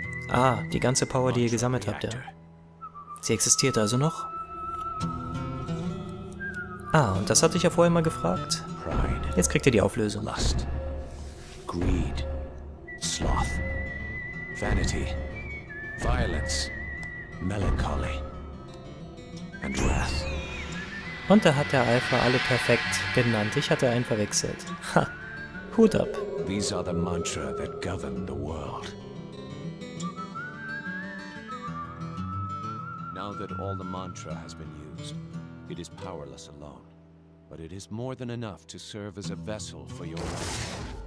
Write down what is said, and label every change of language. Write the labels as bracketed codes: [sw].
[de] Ah, die ganze Power, die ihr gesammelt habt, ja. Sie existiert also noch? Ah, und das hatte ich ja vorher mal gefragt. Jetzt kriegt ihr die Auflösung. [en] Lust, Greed, Sloth, Vanity, Violence, Melancholy. [de] Und da hat der Alpha alle perfekt benannt. Ich hatte einen verwechselt. Ha! Hut ab! [en] These are the mantra that govern the world. Now that all the mantra has been used, it is powerless alone. But it is more than enough to serve as a vessel for your life.